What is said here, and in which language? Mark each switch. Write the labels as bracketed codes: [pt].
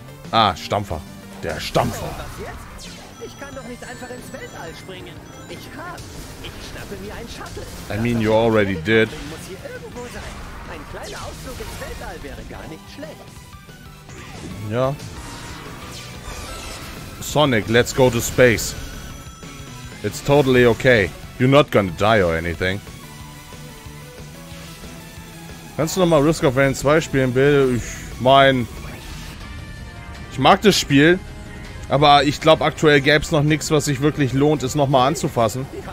[de] Ah, Stampfer. Der Stampfer. Was jetzt? Ich kann doch nicht einfach ins Weltall springen. Ich schnappe mir ein Shuttle. [en] I mean, you already did. [de] Muss hier irgendwo sein. Ein kleiner Ausflug ins Weltall wäre gar nicht schlecht. Ja. [en] Sonic, let's go to space. It's totally okay. You're not gonna die or anything. [de] Kannst du nochmal Risk of Rain 2 spielen, bitte? Ich mein... Ich mag das Spiel. Aber ich glaube, aktuell gäbe es noch nichts, was sich wirklich lohnt, es nochmal anzufassen.